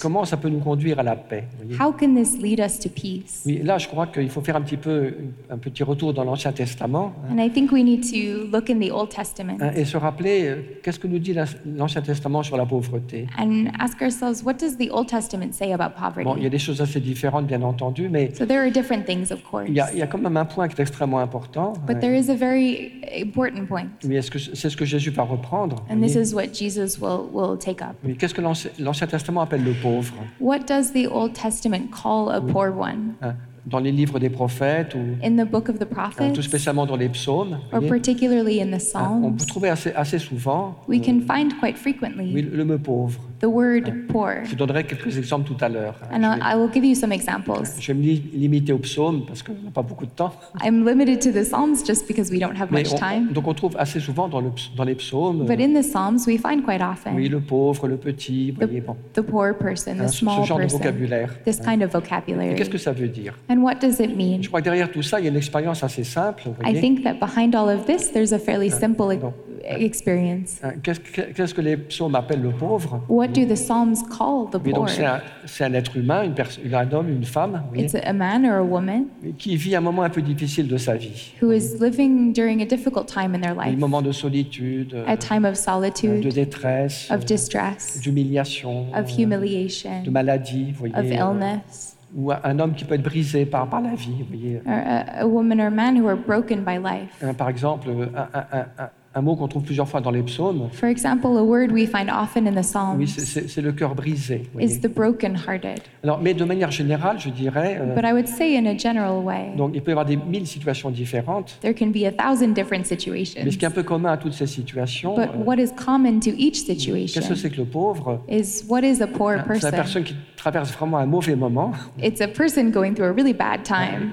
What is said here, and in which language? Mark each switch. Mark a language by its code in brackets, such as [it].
[fr] Comment ça peut nous conduire à la paix, voyez? [en] How can this lead us to peace? [fr] Oui, là je crois qu'il faut faire un petit retour dans l'Ancien Testament. [en] And I think we need to look in the Old Testament. [fr] Et se rappeler qu'est-ce que nous dit l'Ancien Testament sur la pauvreté. [en] And ask ourselves what does the Old Testament say about poverty? [fr] Bon, il y a des choses assez différentes bien entendu, mais [en] So there are different things. Of course. [fr] Il y a quand même un point qui est extrêmement important. [en] But there is a very important point. [fr] Oui, c'est ce que Jésus va reprendre. [en] And this is what Jesus will take up. [fr] Oui, qu'est-ce que l'Ancien Testament appelle le pauvre? [en] What does the Old Testament call a poor one? [fr] Dans les livres des prophètes ou [en] in the book of the prophets, [fr] tout spécialement dans les psaumes, [en] or particularly in the psalms, [fr] on peut trouver assez souvent [en] we can find quite frequently, [fr] oui, le mot pauvre. [en] The word poor. [fr] Je donnerai quelques exemples tout à l'heure. [en] And I will give you some examples. [fr] Je vais me limiter aux psaumes parce qu'on n'a pas beaucoup de temps. [en] I'm limited to the psalms just because we don't have [fr] Mais [en] much time. [fr] Donc on trouve assez souvent dans les psaumes. [en] But in the psalms we find quite often. [fr] Oui, le pauvre, le petit, voyez, bon. [en] The poor person, the small person. [fr] Ce genre [en] person, [fr] de vocabulaire. [en] This kind of vocabulary. [fr] Et qu'est-ce que ça veut dire? [en] And what does it mean? [fr] Je crois que derrière tout ça, il y a une expérience assez simple. Voyez. [en] I think that behind all of this, there's a fairly simple experience. [fr] Qu'est-ce que les psaumes appellent le pauvre? [en] What do the psalms call the poor? [fr] Oui, donc c'est un être humain, un homme, une femme. [en] It's a man or a woman. [fr] Qui vit un moment un peu difficile de sa vie. [en] Who is living during a difficult time in their life. [fr] Un moment de solitude. [en] A time of solitude. [fr] De détresse. [en] Of distress. [fr] D'humiliation. [en] Of humiliation. [fr] De maladie, voyez. [en] Of illness. [fr] Ou un homme qui peut être brisé par la vie, voyez. [en] A woman or man who are broken by life. [fr] Par exemple, un mot qu'on trouve plusieurs fois dans les psaumes. [en] For example, a word we find often in the psalms. [fr] Oui, c'est le cœur brisé. [en] Is the broken-hearted. [fr] Alors, mais de manière générale, je dirais. [en] But I would say in a general way. [fr] Donc, il peut y avoir 1000 situations différentes. [en] There can be 1,000 different situations. [fr] Mais ce qui est un peu commun à toutes ces situations. [en] But what is common to each situation? [fr] Qu'est-ce que c'est que le pauvre? [en] Is what is a poor person? [fr] C'est la personne qui traverse vraiment un mauvais moment. [en] It's a person going through a really bad time.